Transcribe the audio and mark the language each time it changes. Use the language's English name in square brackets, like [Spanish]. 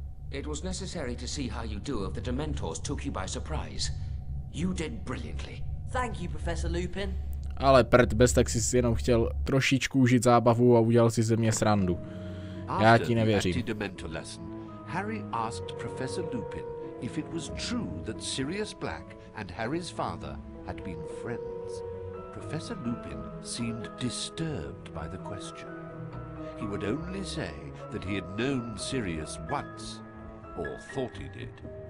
[English] It was necessary to see how you do if the dementors took you by surprise. You did brilliantly. Thank you, Professor Lupin. [Czech] Ale prd, bez tak jsi jenom chtěl trošičku užít zábavu a udělal si ze mě srandu. Já ti nevěřím. [English] After the anti-dementor lesson, Harry asked Professor Lupin if it was true that Sirius Black and Harry's father had been friends. Professor Lupin seemed disturbed by the question. He would only say that he had known Sirius once, or thought he did.